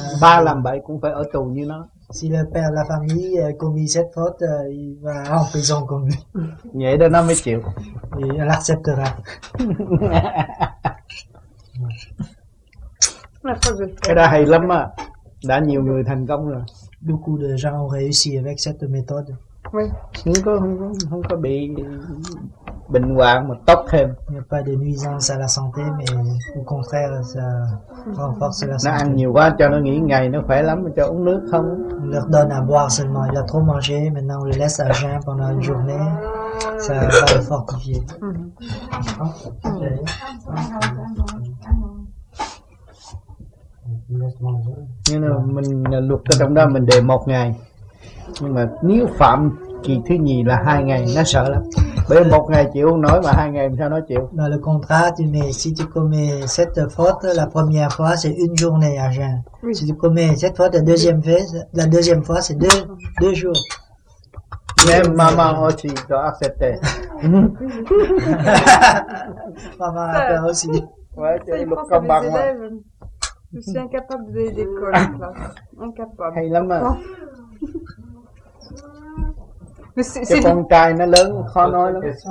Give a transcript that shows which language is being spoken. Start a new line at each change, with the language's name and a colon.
Vietnamese: Ba làm bậy cũng phải ở tù như nó.
French: Si le père de la famille commet cette faute, il va en prison comme lui.
Vietnamese: Vậy đó nó mới chịu.
French: Il acceptera.
Vietnamese: Cái đó hay lắm á. Đã nhiều người thành công rồi.
French: Beaucoup de gens ont réussi avec cette méthode.
Vietnamese: Không có, không có bị bệnh hoạn mà tốt thêm.
French: Il n'y a pas de nuisance à la santé, mais au contraire, ça renforce la santé.
Vietnamese: Nó ăn nhiều quá cho nó nghỉ ngày, nó khỏe lắm, cho uống nước không.
French: On leur donne à boire seulement, il a trop mangé, maintenant on le laisse à jeun pendant une journée. Ça va le fortifier.
Vietnamese: Nhưng mà mình luộc ở trong đó mình để một ngày. Nhưng mà nếu phạm kỳ thứ nhì là hai ngày nó sợ lắm. Bởi một ngày chịu không nổi mà hai ngày sao nó chịu.
French: Dans le contrat, tu mets, si tu commets cette faute la première fois, c'est une journée à jeun. Si tu commets cette faute la deuxième fois, c'est deux jours. Même maman aussi doit accepter. Maman a peur aussi. Ouais, c'est le combat. Je suis incapable de les décoller. Incapable.
Vietnamese: Hay lắm à. Cái con trai nó lớn khó nói lắm.